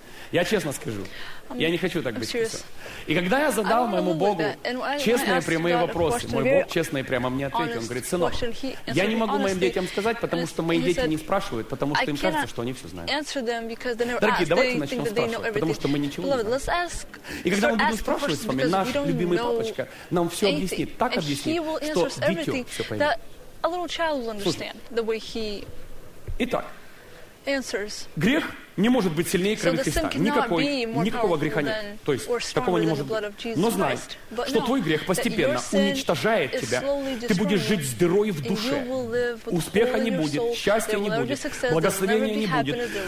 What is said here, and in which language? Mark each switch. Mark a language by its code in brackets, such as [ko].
[ru] Я честно скажу, я не хочу так быть спасен. И когда я задал моему Богу честные прямые вопросы, мой Бог честно и прямо мне ответил, он говорит, сынок, я не могу моим детям сказать, потому что мои дети не спрашивают, потому что им кажется, что они все знают. Дорогие, давайте начнем спрашивать, потому что мы ничего не знаем. И когда мы будем спрашивать с вами, наш любимый папочка нам все объяснит, так объяснит, что дитё все поймет. [en] A little child will understand the way he [ru] Итак, [en] answers. [ru] Грех не может быть сильнее крови Христа. Никакой, никакого греха нет. То есть, такого не может быть. Но знай, что твой грех постепенно уничтожает тебя. Ты будешь жить с дырой в душе. Успеха не будет, счастья не будет, благословения не будет.